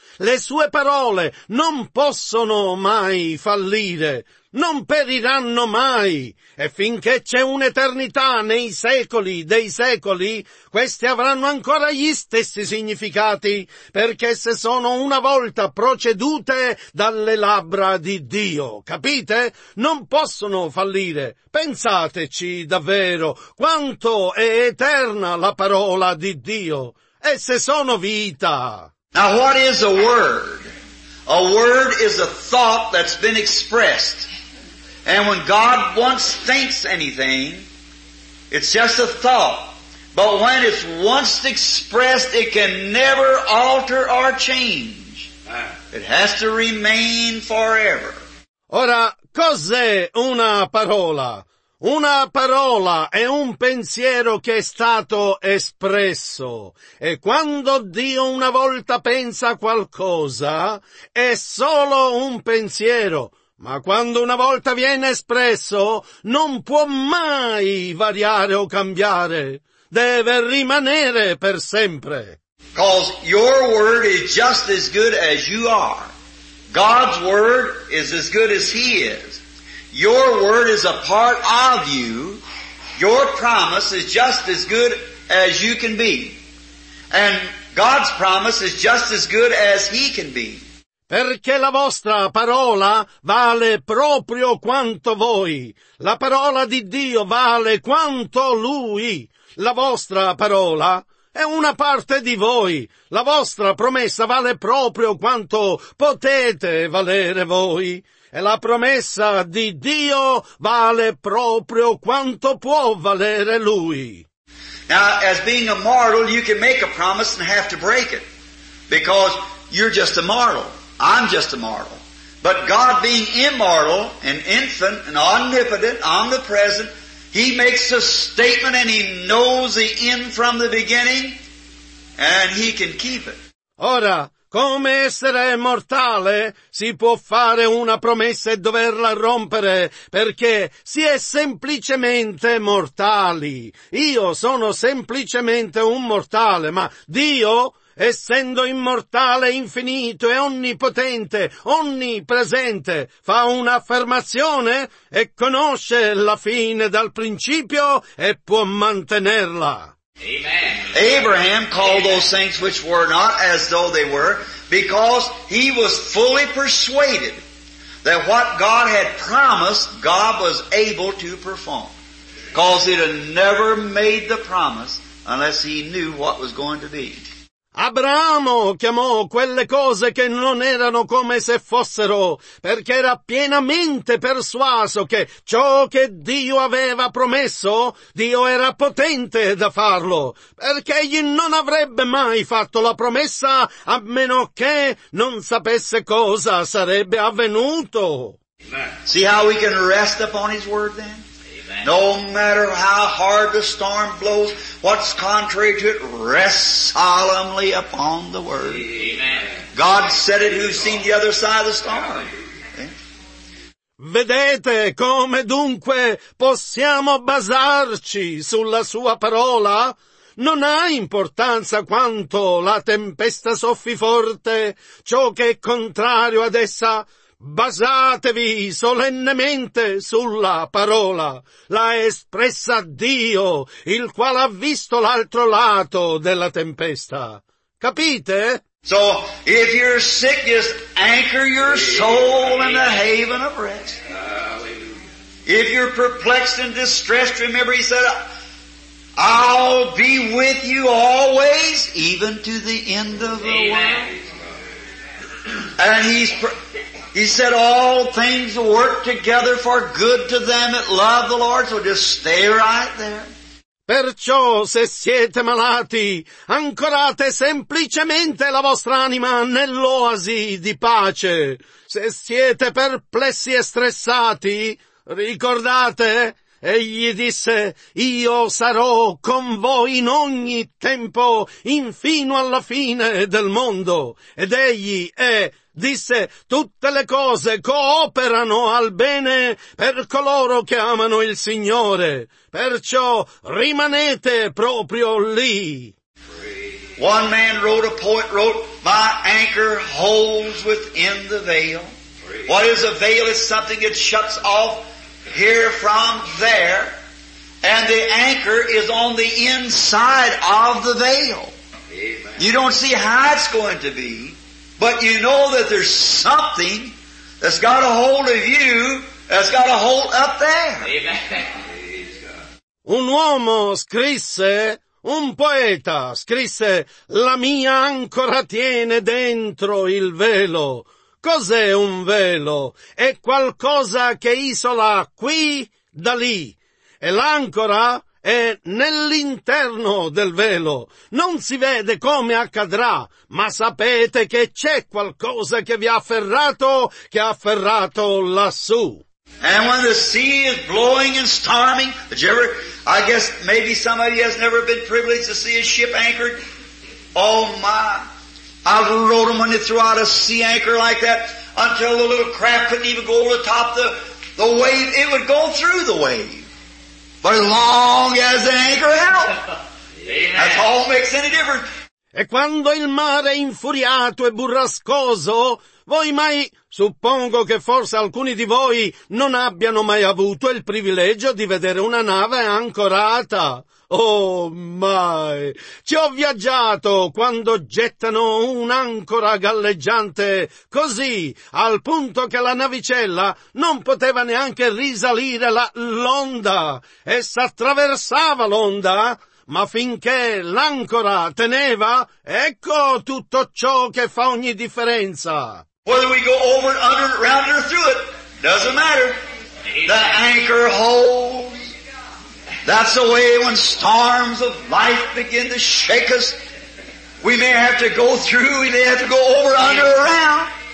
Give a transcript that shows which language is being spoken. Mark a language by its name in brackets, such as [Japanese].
[Italian] Le sue parole non possono mai fallire, non periranno mai, e finché c'è un'eternità nei secoli dei secoli, queste avranno ancora gli stessi significati, perché se sono una volta procedute dalle labbra di Dio, capite? Non possono fallire. Pensateci davvero, quanto è eterna la parola di Dio, e se sono vita... [English] Now what is a word? A word is a thought that's been expressed. And when God once thinks anything, It's just a thought. But when it's once expressed, it can never alter or change. It has to remain forever. [Italian] Ora, cos'è una parola? Una parola è un pensiero che è stato espresso, e quando Dio una volta pensa qualcosa, è solo un pensiero, ma quando una volta viene espresso, non può mai variare o cambiare, deve rimanere per sempre. [English] Cause your word is just as good as you are. God's word is as good as He is. Your word is a part of you. Your promise is just as good as you can be. And God's promise is just as good as He can be. [Italian] Perché la vostra parola vale proprio quanto voi. La parola di Dio vale quanto Lui. La vostra parola è una parte di voi. La vostra promessa vale proprio quanto potete valere voi. E la promessa di Dio vale proprio quanto può valere Lui. [English] Now, as being a mortal, you can make a promise and have to break it. Because you're just a mortal. I'm just a mortal. But God being immortal and infant and omnipotent, omnipresent, He makes a statement and He knows the end from the beginning and He can keep it. [Italian] Ora, come essere mortale si può fare una promessa e doverla rompere perché si è semplicemente mortali. Io sono semplicemente un mortale, ma Dio, essendo immortale, infinito e onnipotente, onnipresente, fa un'affermazione e conosce la fine dal principio e può mantenerla. [English] Amen. Abraham called those things which were not as though they were, because he was fully persuaded that what God had promised, God was able to perform. Because he had never made the promise unless he knew what was going to be. [Italian] Abramo chiamò quelle cose che non erano come se fossero, perché era pienamente persuaso che ciò che Dio aveva promesso, Dio era potente da farlo, perché egli non avrebbe mai fatto la promessa a meno che non sapesse cosa sarebbe avvenuto. [English] See how we can rest upon His word then? No matter how hard the storm blows, what's contrary to it, rest solemnly upon the Word. Amen. God said it, who's seen the other side of the storm. Amen. [Italian] Vedete come dunque possiamo basarci sulla Sua parola? Non ha importanza quanto la tempesta soffi forte, ciò che è contrario ad essa. Basatevi solennemente sulla parola, l'ha espressa Dio, il quale ha visto l'altro lato della tempesta. Capite? [English] So, if you're sick, just anchor your soul in the haven of rest. If you're perplexed and distressed, remember He said, I'll be with you always, even to the end of the world. And He said all things work together for good to them that love the Lord, so just stay right there. [Italian] Perciò, se siete malati, ancorate semplicemente la vostra anima nell'oasi di pace. Se siete perplessi e stressati, ricordate, egli disse, io sarò con voi in ogni tempo, infino alla fine del mondo. Ed egli è... Disse, tutte le cose cooperano al bene per coloro che amano il Signore. Perciò rimanete proprio lì. [English] One man wrote, a poet wrote, my anchor holds within the veil. What is a veil? It's something it shuts off here from there. And the anchor is on the inside of the veil. You don't see how it's going to be. But you know that there's something that's got a hold of you, that's got a hold up there. [Italian] Un uomo scrisse, un poeta scrisse, la mia ancora tiene dentro il velo. Cos'è un velo? È qualcosa che isola qui da lì. E l'ancora è nell'interno del velo. Non si vede come accadrà, ma sapete che c'è qualcosa che vi ha afferrato, che ha afferrato lassù. [English] And when the sea is blowing and storming, I guess maybe somebody has never been privileged to see a ship anchored. Oh my, I wrote them when they threw out a sea anchor like that until the little craft couldn't even go over the top of the wave. It would go through the wave. But as long as the anchor held, that's all that makes any difference. [Italian] E quando il mare è infuriato e burrascoso, voi mai, suppongo che forse alcuni di voi non abbiano mai avuto il privilegio di vedere una nave ancorata. Oh, mai! Ci ho viaggiato quando gettano un'ancora galleggiante così, al punto che la navicella non poteva neanche risalire l'onda. Essa attraversava l'onda, ma finché l'ancora teneva, ecco tutto ciò che fa ogni differenza. [English] Whether we go over, under, round or through it, doesn't matter. The anchor holds. That's the way when storms of life begin to shake us. We may have to go through, we may have to go over, under, around.